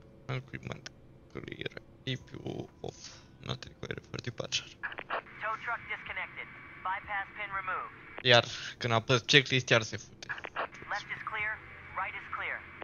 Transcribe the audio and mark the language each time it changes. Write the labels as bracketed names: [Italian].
[English] Equipment clear, APU off, not required for departure. Tow truck disconnected, bypass pin removed. [Romanian] Iar când apăs checklist, iar se fute. [English] Left is clear, right is clear.